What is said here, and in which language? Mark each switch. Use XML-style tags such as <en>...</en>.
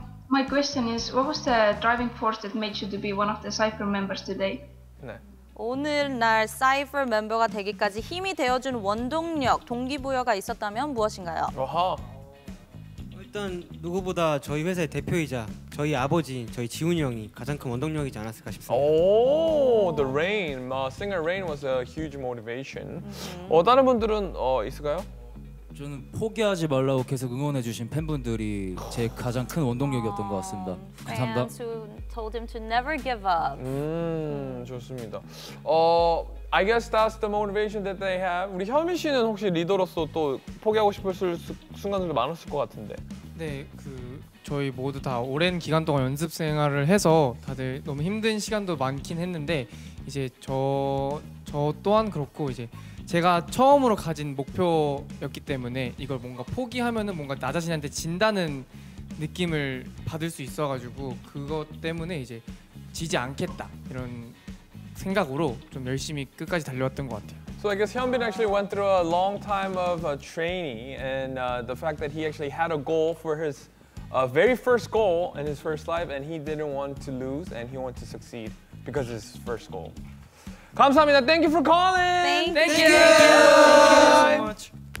<en>My question is, what was the driving force that made you to be one of the Cypher members today?</en> <ko>네. 오늘날 Cypher 멤버가 되기까지 힘이 되어준 원동력, 동기부여가 있었다면 무엇인가요? 일단 누구보다 저희 회사의 대표이자 저희 아버지, 저희 지훈이 형이 가장 큰 원동력이지 않았을까 싶습니다.</ko> <en>The Rain, singer Rain was a huge motivation.</en> <ko>Mm-hmm. 다른 분들은 있을까요? 저는 포기하지 말라고 계속 응원해주신 팬분들이 제 가장 큰 원동력이었던 것 같습니다. 감사합니다.</ko> <en>Fans who told him to never give up.</en> <ko>좋습니다.</ko> <en>I guess that's the motivation that they have.</en> <ko>우리 현민 씨는 혹시 리더로서 또 포기하고 싶을 순간들도 많았을 것 같은데. 네, 저희 모두 다 오랜 기간 동안 연습 생활을 해서 다들 너무 힘든 시간도 많긴 했는데 이제 저 또한 그렇고 이제 제가 처음으로 가진 목표였기 때문에 이걸 뭔가 포기하면은 뭔가 나 자신한테 진다는 느낌을 받을 수 있어가지고 그것 때문에 이제 지지 않겠다 이런 생각으로 좀 열심히 끝까지 달려왔던 것 같아요.</ko> <en>So I guess Hyunbin actually went through a long time of training and the fact that he actually had a goal for his very first goal in his first life and he didn't want to lose and he wanted to succeed because of his first goal.</en> <ko>감사합니다.</ko> <en>Thank you for calling. Thank you so much.</en>